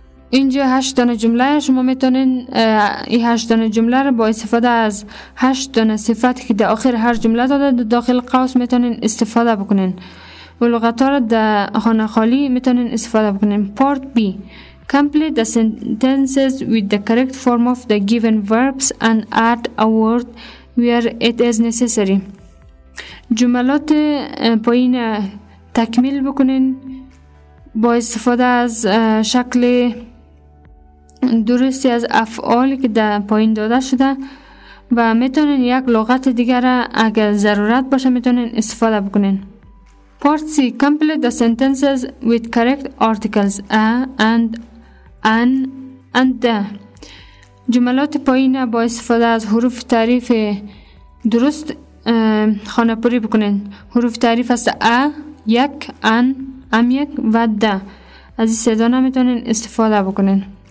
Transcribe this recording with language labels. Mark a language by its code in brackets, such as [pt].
[fa] اینجا 8 تا جمله شما میتونین این 8 تا جمله رو با استفاده از 8 تا صفت که در آخر هر جمله داده داخل قوس میتونین استفاده بکنین. و لغت ها رو در خانه خالی میتونین استفاده بکنین. [en] Part B. Complete the sentences with the correct form of the given verbs and add a word where it is necessary. [fa] جملات پایین تکمیل بکنین با استفاده از شکل درستی از افعال که در پایین داده شده و میتونین یک لغت دیگر اگر ضرورت باشه میتونین استفاده بکنین. [en] Part C. Complete the sentences with correct articles a and an and the. [fa] جملات پایین با استفاده از حروف تعریف درست خانه‌پوری بکنین. حروف تعریف است a, یک, an, ام یک و ده. از این سه دانه میتونین استفاده بکنین.